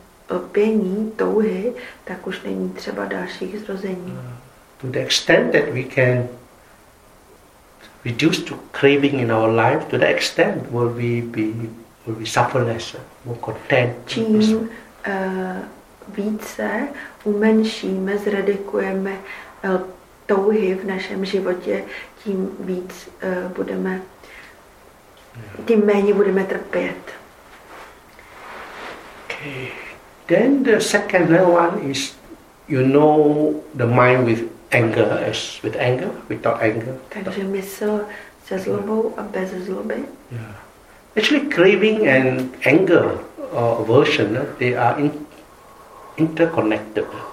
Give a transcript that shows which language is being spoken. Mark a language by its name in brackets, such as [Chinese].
[Czech] lpění, touhy, tak už není třeba dalších zrození. [English] To the extent that we can reduce to craving in our life, to the extent will we suffer less, more content. [Czech] Čím více umenšíme, zredikujeme touhy v našem životě, tím víc budeme, tím méně budeme trpět. [English] Okay. Then the second one is, you know, the mind with anger, as with anger, without anger. [Czech] Takže mysl se zlobou a bez zloby. [English] Yeah. Actually, craving and anger or aversion, they are interconnected.